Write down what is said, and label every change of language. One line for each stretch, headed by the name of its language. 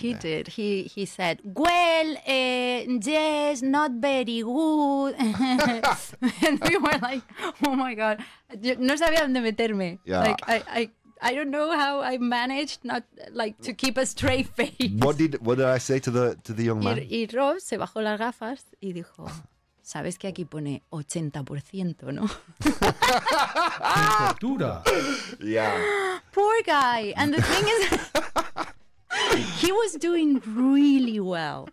English: day. He did. He said, well, yes, not very good. And we were like, oh my God,
Spanish: no sabía dónde meterme.
English: Yeah. Like, I don't know how I managed not like to keep a straight face. What did I say to the young man?
Spanish: Y Rob se bajó las gafas y dijo, ¿sabes que aquí pone 80%, no?
English: Yeah. Poor guy. And the thing is, he was doing really well.